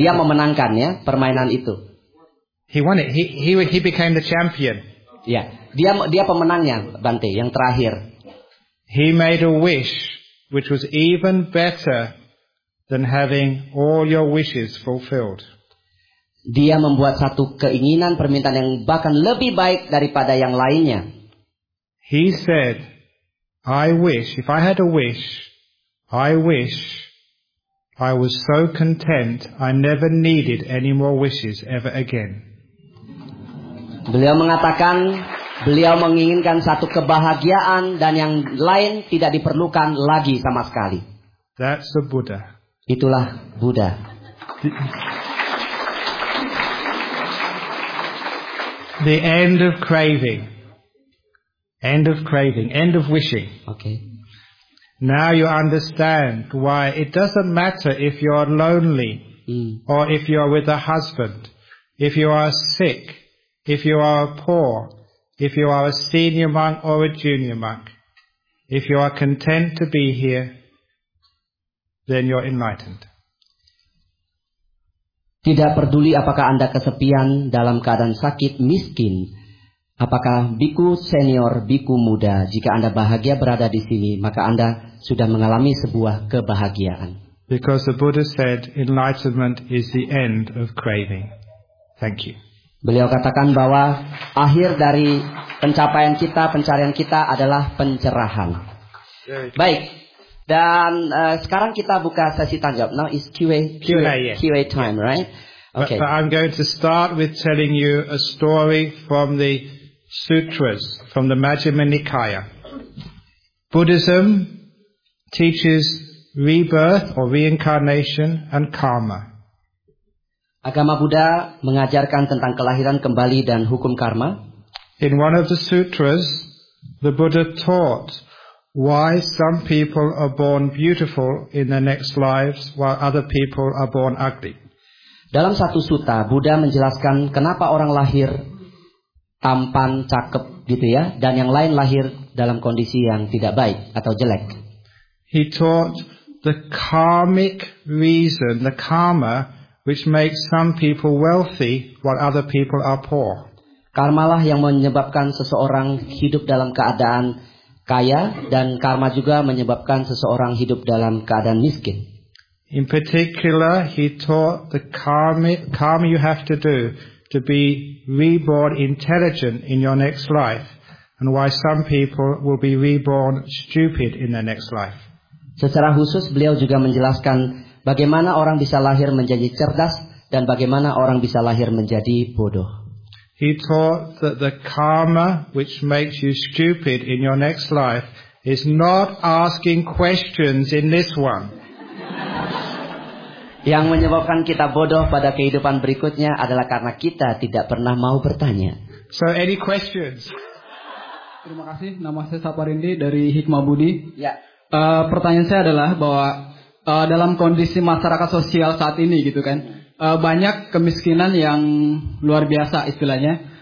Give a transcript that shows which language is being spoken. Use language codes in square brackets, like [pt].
[id] Dia memenangkan ya permainan itu. [en] He won it. He became the champion. Yeah. [id] Dia pemenangnya, Bante, yang terakhir. [en] He made a wish which was even better than having all your wishes fulfilled. [id] Dia membuat satu keinginan permintaan yang bahkan lebih baik daripada yang lainnya. [en] He said, I wish, if I had a wish, I wish I was so content I never needed any more wishes ever again. [id] Beliau mengatakan, beliau menginginkan satu kebahagiaan dan yang lain tidak diperlukan lagi sama sekali. [en] That's the Buddha. [id] Itulah Buddha. [en] The end of craving. End of craving, end of wishing. Okay. Now you understand why it doesn't matter if you are lonely or if you are with a husband, if you are sick, if you are poor, if you are a senior monk or a junior monk, if you are content to be here, then you're enlightened. [id] Tidak peduli apakah Anda kesepian, dalam keadaan sakit, miskin. Apakah biku senior, biku muda, jika Anda bahagia berada di sini, maka Anda sudah mengalami sebuah kebahagiaan. [en] Because the Buddha said, enlightenment is the end of craving. Thank you. [id] Beliau katakan bahwa akhir dari pencapaian kita, pencarian kita adalah pencerahan. Baik. Dan sekarang kita buka sesi tanya jawab. [en] Now is Q&A time, right? Okay. But I'm going to start with telling you a story from the sutras, from the Majjhima Nikaya. Buddhism teaches rebirth or reincarnation and karma. [id] Agama Buddha mengajarkan tentang kelahiran kembali dan hukum karma. [en] In one of the sutras, the Buddha taught why some people are born beautiful in their next lives while other people are born ugly. [id] Dalam satu sutta, Buddha menjelaskan kenapa orang lahir tampan, cakep gitu ya, dan yang lain lahir dalam kondisi yang tidak baik atau jelek. [en] He taught the karmic reason, the karma which makes some people wealthy while other people are poor. [id] Karmalah yang menyebabkan seseorang hidup dalam keadaan kaya, dan karma juga menyebabkan seseorang hidup dalam keadaan miskin. [en] In particular, he taught the karma you have to do to be reborn intelligent in your next life, and why some people will be reborn stupid in their next life. [id] Secara khusus, beliau juga menjelaskan bagaimana orang bisa lahir menjadi cerdas dan bagaimana orang bisa lahir menjadi bodoh. [en] He taught that the karma which makes you stupid in your next life is not asking questions in this one. [id] Yang menyebabkan kita bodoh pada kehidupan berikutnya adalah karena kita tidak pernah mau bertanya. [en] So any questions? [id] Terima kasih. Nama saya Saparindi dari Hikmah Budi. Ya. Pertanyaan saya adalah bahwa dalam kondisi masyarakat sosial saat ini gitu kan, banyak kemiskinan yang luar biasa istilahnya.